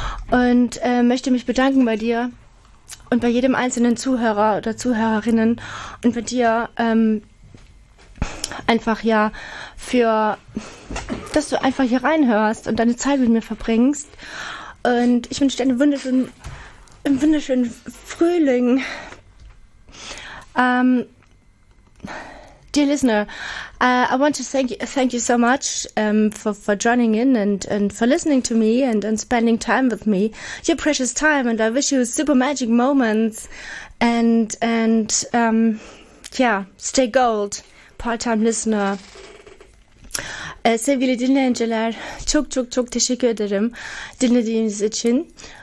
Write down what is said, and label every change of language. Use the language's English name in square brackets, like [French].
[German] Und möchte mich bedanken bei dir und bei jedem einzelnen Zuhörer oder Zuhörerinnen. Und bei dir einfach ja, für, dass du einfach hier reinhörst und deine Zeit mit mir verbringst. Und ich wünsche dir eine wunderschöne... Im wunderschönen Frühling. [English] Dear listener, I want to thank you so much for joining in and for listening to me and spending time with me, your precious time, and I wish you super magic moments and yeah, stay gold, part-time listener. [Turkish] Sevgili dinleyiciler, çok çok çok teşekkür ederim dinlediğiniz için.